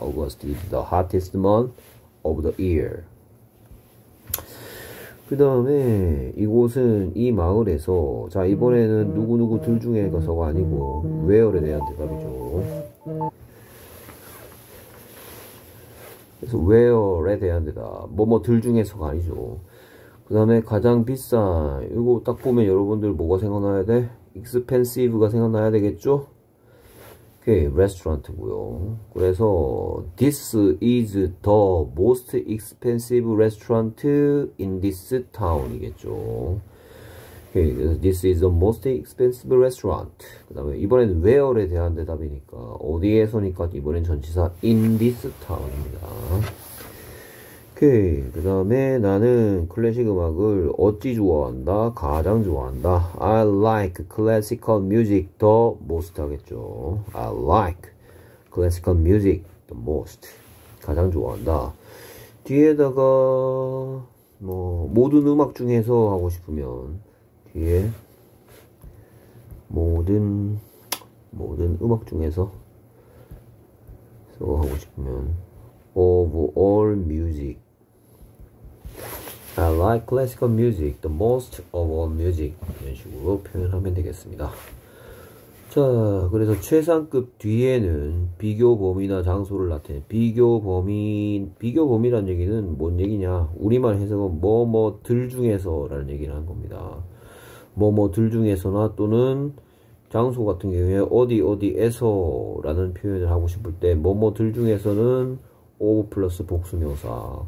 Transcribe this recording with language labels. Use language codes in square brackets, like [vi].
[en] August is the hottest month of the year. [ko] 그 다음에 이곳은 이 마을에서 자 이번에는 누구누구 둘 중에서가 아니고 where에 대한 대답이죠. 그래서 where에 대한 대답. 뭐뭐들 중에서가 아니죠. 그 다음에 가장 비싼. 이거 딱 보면 여러분들 뭐가 생각나야 돼? expensive가 생각나야 되겠죠? 오케이, restaurant고요. 그래서 [en] this is the most expensive restaurant in this town이겠죠. [ko] 오케이, [en] this is the most expensive restaurant. [ko] 그 다음에 이번에는 where에 대한 대답이니까 어디에서니까 이번엔 전치사 [en] in this town [ko] 입니다. 오케이, 그 다음에 나는 클래식 음악을 어찌 좋아한다? 가장 좋아한다. [en] I like classical music the most [ko] 하겠죠. [en] I like classical music the most. [ko] 가장 좋아한다. 뒤에다가 뭐 모든 음악 중에서 하고 싶으면 뒤에 모든 음악 중에서 하고 싶으면 [en] of all music. I like classical music, the most of all music. [ko] 이런 식으로 표현하면 되겠습니다. 자, 그래서 최상급 뒤에는 비교 범위나 장소를 나타내. 비교 범위란 얘기는 뭔 얘기냐? 우리말 해석은 뭐뭐들 중에서라는 얘기를 한 겁니다. 뭐뭐들 중에서나 또는 장소 같은 경우에 어디어디에서라는 표현을 하고 싶을 때 뭐뭐들 중에서는 of 플러스 복수 명사.